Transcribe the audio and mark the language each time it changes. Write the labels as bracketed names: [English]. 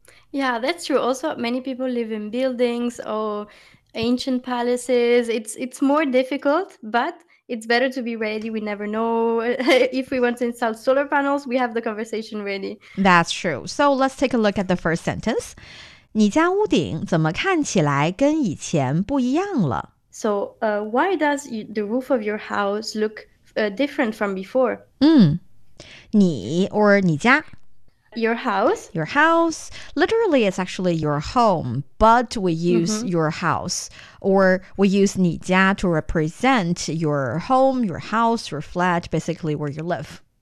[English] Yeah, that's true. Also, many people live in buildings or... ancient palaces, it's more difficult, but it's better to be ready. We never know. If we want to install solar panels, we have the conversation ready. That's true. So let's take a look at the first sentence. [Chinese] 你家屋顶怎么看起来跟以前不一样了? [English] So why does the roof of your house look different from before? [Chinese] 你 or 你家。 [English] Your house. Your house. Literally, it's actually your home, but we use、mm-hmm. your house, or we use 你家 to represent your home, your house, your flat, basically where you live.